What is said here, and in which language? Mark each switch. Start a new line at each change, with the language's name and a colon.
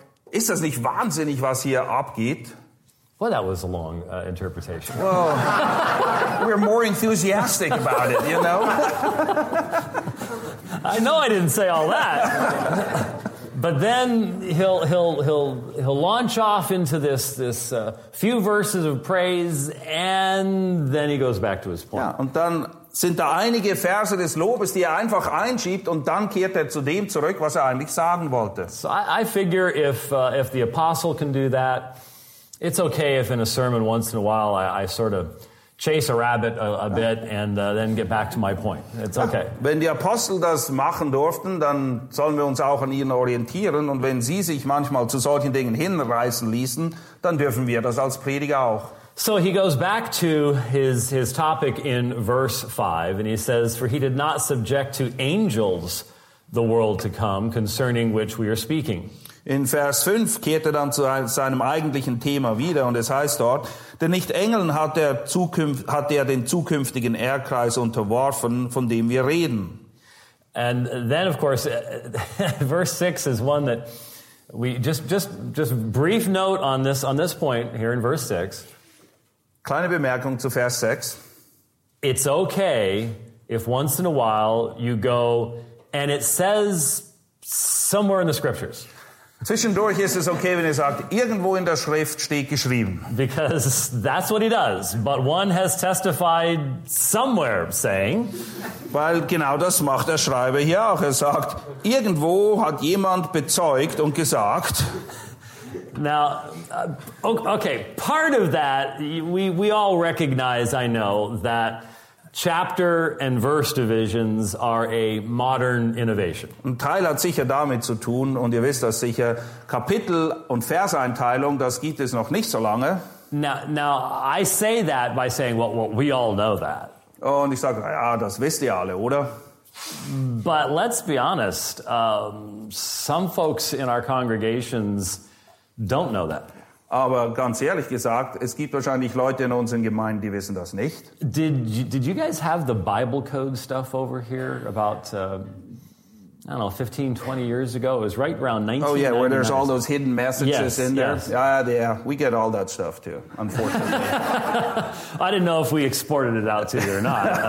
German: Ist das nicht wahnsinnig, was hier abgeht?
English: Well, that was a long interpretation. Well, we're more enthusiastic about it, you know? I know I didn't say all that. But then he'll launch off into this few verses of praise, and then he goes back to his point.
German: Ja, und dann sind da einige Verse des Lobes, die er einfach einschiebt, und dann kehrt er zu dem zurück, was er eigentlich sagen wollte.
English: So I figure if the apostle can do that, it's okay if in a sermon once in a while I sort of chase a rabbit a bit and then get back to my point. It's okay. Ja,
German: wenn die Apostel das machen durften, dann sollen wir uns auch an ihnen orientieren. Und wenn sie sich manchmal zu solchen Dingen hinreißen ließen, dann dürfen wir das als Prediger auch.
English: So he goes back to his topic in verse 5, and he says, "For he did not subject to angels the world to come, concerning which we are speaking."
German: In Vers 5 kehrt er dann zu seinem eigentlichen Thema wieder, und es heißt dort, denn nicht Engeln hat er den zukünftigen Erdkreis unterworfen, von dem wir reden.
English: And then, of course, verse 6 is one that we just brief note on this point here in verse 6.
German: Kleine Bemerkung zu Vers 6.
English: It's okay if once in a while you go and it says somewhere in the scriptures.
German: Zwischendurch ist es okay, wenn ihr sagt, irgendwo in der Schrift steht geschrieben.
English: Because that's what he does. But one has testified somewhere saying.
German: Weil genau das macht der Schreiber hier auch. Er sagt, irgendwo hat jemand bezeugt und gesagt.
English: Now, okay, part of that, we all recognize, I know, that chapter and verse divisions are a modern innovation.
German: Ein Teil hat sicher damit zu tun, und ihr wisst das sicher, Kapitel- und Verseinteilung, das gibt es noch nicht so lange.
English: Now I say that by saying, well, we all know that.
German: Und ich sage, ja, das wisst ihr alle, oder?
English: But let's be honest, some folks in our congregations don't know that.
German: Aber ganz ehrlich gesagt, es gibt wahrscheinlich Leute in unseren Gemeinden, die wissen das nicht.
English: Did you guys have the Bible code stuff over here about, I don't know, 15, 20 years ago? It was right around 1999. Oh yeah, where there's all those hidden messages in there. Yes. Yeah, we get all that stuff too, unfortunately. I didn't know if we exported it out to you or not.